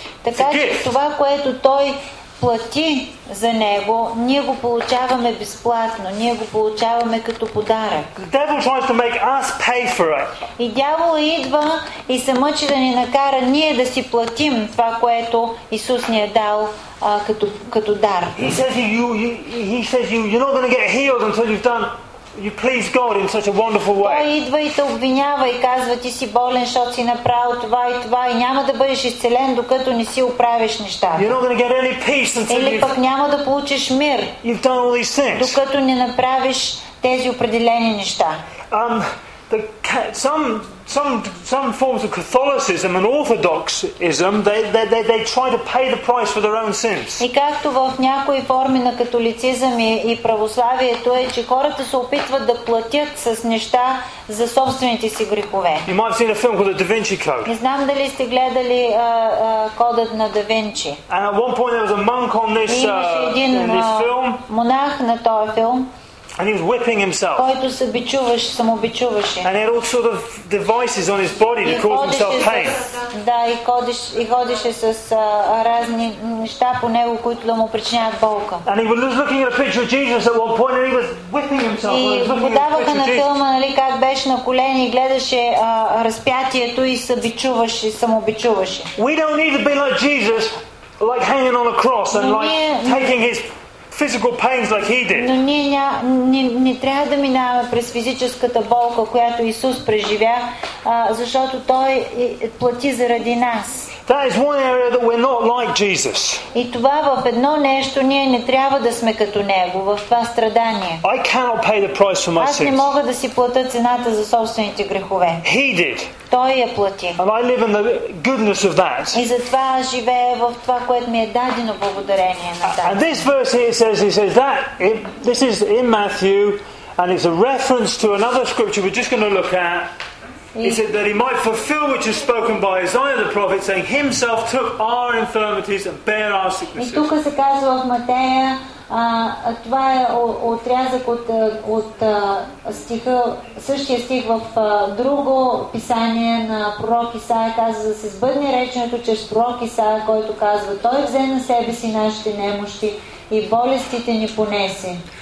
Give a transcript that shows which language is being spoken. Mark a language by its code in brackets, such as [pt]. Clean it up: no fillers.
[bg] Така че това, което той плати за него, ние го получаваме безплатно, ние го получаваме като подарък. [en] The devil tries to make us pay for it. [bg] И дявола идва и се мъчи да ни накара ние да си платим това, което Исус ни е дал като дар. [en] He says you're not going to get healed until you've done. You please God in such a wonderful way. [bg] Той идва и те обвинява и казва, ти си болен, защото си направил това и това и няма да бъдеш изцелен, докато не си оправиш нещата. [en] You're not going to get any peace until [bg] Или пък няма да получиш мир, [en] you've done all these things. [bg] Докато не направиш тези определени неща. [en] Some forms of Catholicism and Orthodoxism they try to pay the price for their own sins. [bg] И както в някои форми на католицизъм и православието е, че хората се опитват да платят с неща за собствените си грехове. [en] You might have seen a film called The Da Vinci Code. [bg] Не знам дали сте гледали кодът на Да Винчи. [en] And at one point there was a monk on this film. [bg] Монах на този филм. [en] And he was whipping himself. [bg] Който се бичуваше, самобичуваше. [en] And he had all sort of devices on his body to cause himself pain. [bg] Да, и ходеше с разни неща по него, които да му причиняват болка. [en] And he was looking at a picture of Jesus at one point and he was whipping himself. [bg] И подаваха на филма, нали, как беше на колени и гледаше разпятието и се бичуваше, самобичуваше. [en] We don't need to be like Jesus, like hanging on a cross and like taking his physical pains like he did. [bg] Но ние не трябва да минаваме през физическата болка, която Исус преживя, защото той плати заради нас. [en] That is one area that we're not like Jesus. [bg] И това в едно нещо ние не трябва да сме като него в това страдание. [en] I cannot pay the price for my sins. [bg] Аз не мога да си платя цената за собствените грехове. [en] He did. [bg] Той я плати. [en] And I live in the goodness of that. [bg] И затова живея в това, което ми е дадено благодарение на Бога. [en] And this verse here says that this is in Matthew and it's a reference to another scripture we're just going to look at. He said that he might fulfill which is spoken by Isaiah the prophet, saying himself took our infirmities and bare our sicknesses. [bg] И тук се казва в Матея, това е отрязък от стиха, същия стих в друго писание на пророк Исаия, казва да се сбъдне реченето чрез пророк Исаия, който казва, той взе на себе си нашите немощи и болестите ни понесе.